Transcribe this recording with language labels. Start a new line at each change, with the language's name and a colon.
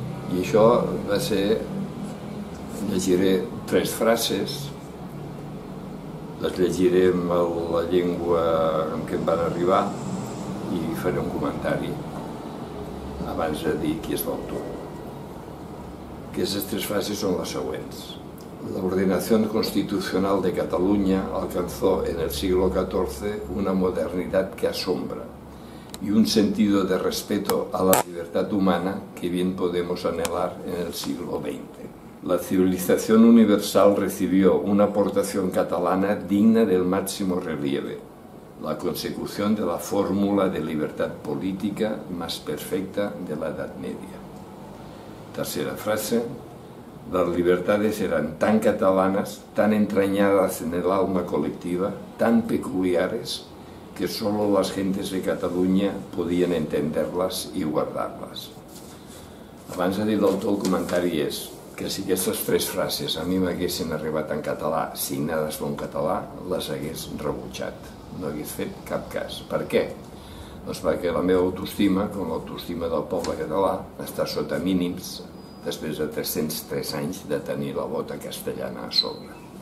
Catalan: I això va ser, llegiré tres frases, les llegiré en la llengua en què em van arribar i faré un comentari abans de dir qui és l'autor. Aquestes tres frases són les següents.
Spanish: La ordenación constitucional de Cataluña alcanzó en el siglo XIV una modernidad que asombra y un sentido de respeto a la libertad humana que bien podemos anhelar en el siglo XX. La civilización universal recibió una aportación catalana digna del máximo relieve, la consecución de la fórmula de libertad política más perfecta de la Edad Media. Tercera frase. Las libertades eran tan catalanas, tan entrañadas en el alma colectiva, tan peculiares, que solo las gentes de Cataluña podían entenderlas y guardarlas.
Catalan: Abans de dir l'autor, el comentari és que si aquestes tres frases a mi m'haguessin arribat en català, signades d'un català, les hagués rebutjat. No hagués fet cap cas. Per què? Doncs perquè la meva autoestima, com l'autoestima del poble català, està sota mínims després de 303 anys de tenir la bota castellana a sobre.